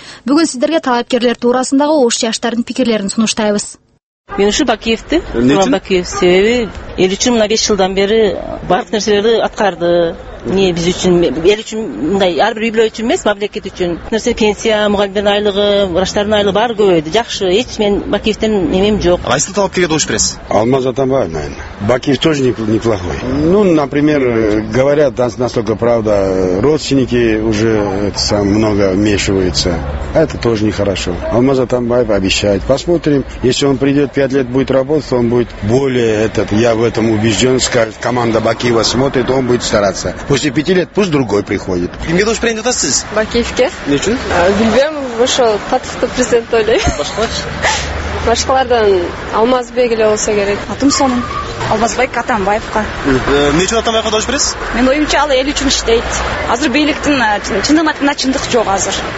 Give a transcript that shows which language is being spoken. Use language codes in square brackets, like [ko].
[ky] Бүгүн сиздерге талапкерлер туурасындагы ош жаштардын пикирлерин сунуштайбыз. Мен ушу Бакиевди, Бакиев себеби 53 мына 5 жылдан бери баардык нерселерди аткарды. Не биз үчүн эл үчүн мындай ар бир үй бүлө үчүн эмес, мамлекет үчүн нерсе пенсия, мугалимдердин айлыгы, врачтардын айлыгы баары көбөйдү. Жакшы, эч мен Бакиевтен эмем жок. Кайсы талапкерге добуш бересиз? [ru] Алмаз Атамбаев, наверное. Бакиев тоже неплохой. Ну, например, говорят, насколько правда, родственники уже много вмешиваются. Это тоже нехорошо. Алмаз Атамбаев обещает. Посмотрим. Если он придет 5 лет будет работать, он будет более этот, я в этом убежден, скажет, команда Бакиева смотрит, он будет стараться. После 5 лет пусть другой приходит. [ky] Кимге добуш берип атасыз? Бакиевке. Эмне үчүн? Билбейм, ошол Патовду президент ойлойм. Башкалар? Башкалардан Алмазбек эле болсо керек. Атым сонун. Алмазбек Атамбаевка. Эмне үчүн Атамбаевка добуш бересиз? Менин оюмча ал эл үчүн иштейт. Азыр бийликтин чындык атында чындык жок азыр.